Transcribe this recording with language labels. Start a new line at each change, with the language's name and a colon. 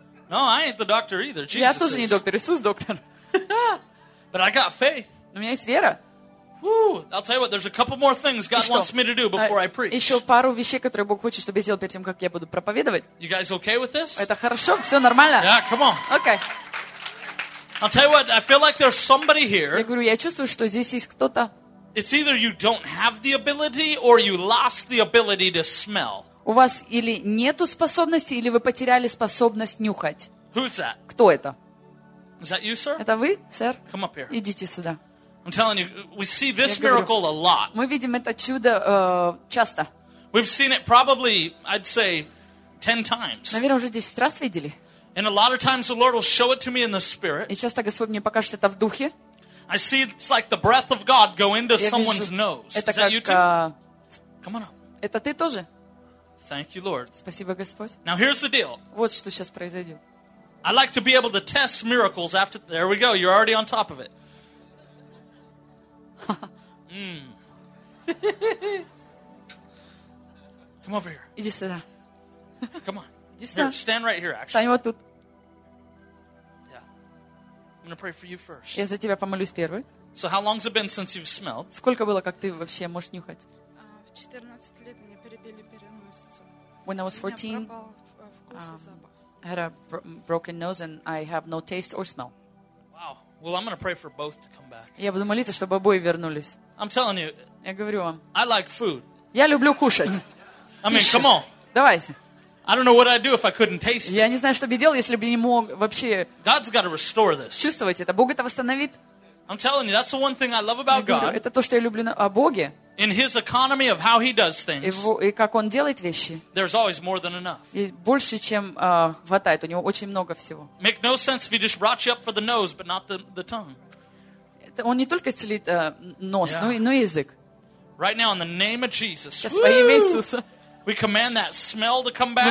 English: No, I ain't the doctor either. Jesus.
Russian: Я тоже не доктор. Иисус доктор.
English: But I got faith.
Russian: У меня есть вера. Whew.
English: I'll tell you what. There's a couple more things God wants me to do before I preach.
Russian: Еще пару вещей, которые Бог хочет, чтобы я сделал перед тем, как я буду проповедовать.
English: You guys okay with this?
Russian: Это хорошо, все нормально.
English: Yeah, come on. Okay. I'll tell you what. I feel like there's somebody here.
Russian: Я говорю, я чувствую, что здесь есть кто-то.
English: It's either you don't have the ability or you lost the ability to smell.
Russian: У вас или нету способности, или вы потеряли способность нюхать.
English: Who's that?
Russian: Кто это?
English: Is that you, sir?
Russian: Это вы, сэр?
English: Come up here.
Russian: Идите сюда.
English: I'm telling you, we see this
Russian: говорю,
English: miracle a lot.
Russian: Мы видим это чудо часто.
English: We've seen it probably, I'd say, 10 times.
Russian: Наверное, уже 10 раз видели.
English: And a lot of times the Lord will show it to me in the spirit.
Russian: И часто Господь мне покажет это в духе.
English: I see it's like the breath of God go into someone's nose.
Russian: Это как
English: Come on up.
Russian: Это ты тоже?
English: Thank you, Lord.
Russian: Спасибо, Господь.
English: Now here's the deal.
Russian: Вот что сейчас произойдет.
English: I like to be able to test miracles after. There we go. You're already on top of it. Come over here.
Russian: Иди сюда.
English: Come on.
Russian: Иди сюда.
English: Here, stand right here, actually.
Russian: Стань вот тут.
English: Yeah. I'm gonna pray for you first.
Russian: Я за тебя помолюсь первой.
English: So how long's it been since you've smelled?
Russian: Сколько было, как ты вообще можешь нюхать? 14 лет мне перебили переносицу.
English: When I was 14, I had a broken nose and I have no taste or smell. Wow. Well, I'm going to pray for both to come back.
Russian: Я буду молиться, чтобы обои вернулись.
English: I'm telling you.
Russian: Я говорю вам.
English: I like food.
Russian: Я люблю кушать.
English: I mean, come on.
Russian: Давайте.
English: I don't know what I'd do if I couldn't taste it.
Russian: Я не знаю, что бы делал, если бы не мог вообще.
English: God's got to restore this.
Russian: Чувствовать это. Бог это восстановит.
English: I'm telling you, that's the one thing I love about God.
Russian: Это то, что я люблю о Боге.
English: In His economy of how He does things.
Russian: И как Он делает вещи.
English: There's always more than enough.
Russian: И больше, чем хватает. У него очень много всего.
English: Make no sense if He just brought you up for the nose, but not the tongue.
Russian: Он не только исцелит нос, но и язык.
English: Right now, in the name of Jesus.
Russian: Сейчас во имя Иисуса.
English: We command that smell to come back.